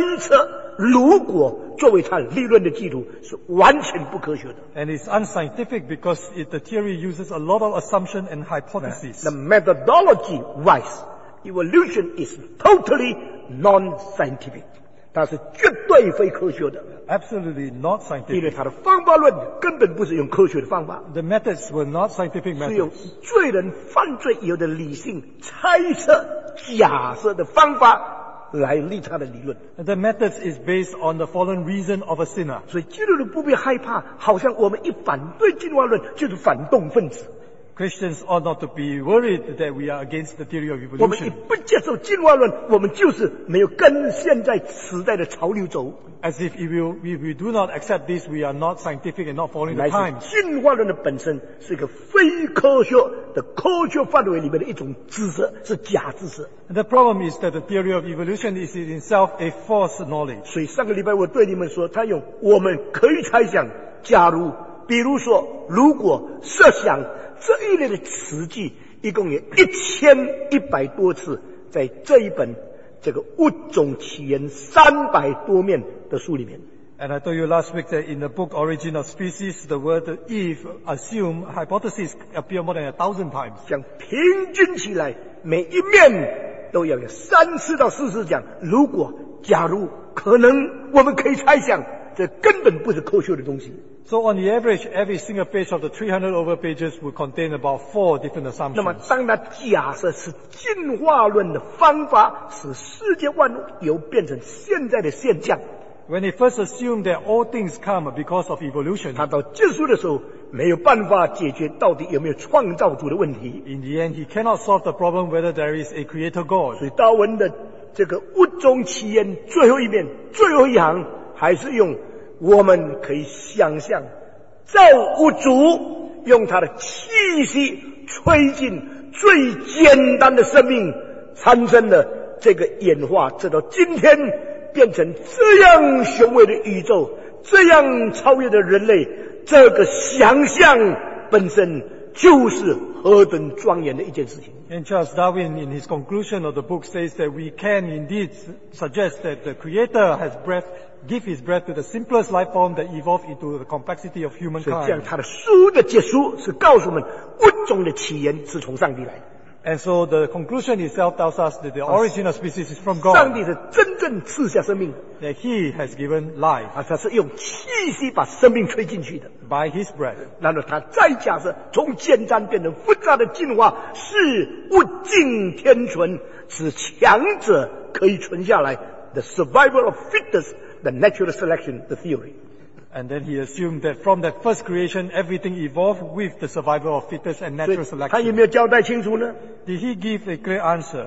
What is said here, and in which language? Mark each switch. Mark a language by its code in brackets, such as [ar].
[zh] 但是进化论的科学里面用了非科学的方法论，假设、猜测、如果。作为他理论的基础是完全不科学的。 [en] And it's unscientific because the theory uses a lot of assumption and hypotheses. The methodology wise, evolution is totally non-scientific. [zh] 它是绝对非科学的。 [en] Absolutely not scientific. [zh] 因为它的方法论根本不是用科学的方法。 [en] The methods were not scientific methods. [zh] 是用罪人犯罪以后的理性猜测假设的方法来立他的理论。 [en] The methods is based on the fallen reason of a sinner. [zh] 所以基督徒不必害怕，好像我们一反对进化论就是反动分子。 [en] Christians ought not to be worried that we are against the theory of evolution. [zh] 我们一不接受进化论，我们就是没有跟现在时代的潮流走。 [en] As if if we do not accept this, we are not scientific and not following the time. [zh] 进化论的本身是一个非科学的科学范围里面的一种知识，是假知识。 [en] And the problem is that the theory of evolution is in itself a false knowledge. [zh] 所以上个礼拜我对你们说，他用我们可以猜想，假如，比如说，如果，设想。这一类的词句一共有1100多次，在这一本这个物种起源300多面的书里面。 [en] And I told you last week that in the book Origin of Species, the word if, assume, hypothesis appear more than 1000 times. [zh] 像平均起来，每一面都要有3次到4次讲。如果、假如、可能，我们可以猜想，这根本不是科学的东西。 [en] So on the average, every single page of the 300 over pages will contain about 4 different assumptions. [zh] 那么当那假设是进化论的方法使世界万有变成现在的现象。 [en] When he first assumed that all things come because of evolution, [zh] 他到结束的时候没有办法解决到底有没有创造主的问题。 [en] In the end, he cannot solve the problem whether there is a creator God. [zh] 所以达文的这个物种起源最后一面、最后一行还是用我们可以想象造物主用他的气息吹进最简单的生命，产生了这个演化，直到今天变成这样雄伟的宇宙，这样超越的人类，这个想象本身就是何等庄严的一件事情。 [en] And Charles Darwin in his conclusion of the book says that we can indeed suggest that the creator has breath, give his breath to the simplest life form that evolved into the complexity of humankind. [zh] 所以这样他的书的结束是告诉我们物种的起源是从上帝来的。 [en] And so the conclusion itself tells us that the origin of species is from God. [zh] 上帝是真正赐下生命。 [en] That he has given life. [zh] 他是用气息把生命吹进去的。 [en] By his breath. [zh] 然后他再假设从简单变成复杂的进化是物竞天存，使强者可以存下来。 [en] The survival of fitness, the natural selection, the theory. And then he assumed that from that first creation, everything evolved with the survival of fittest and natural selection. [zh] 他有没有交代清楚呢？ [en] Did he give a clear answer?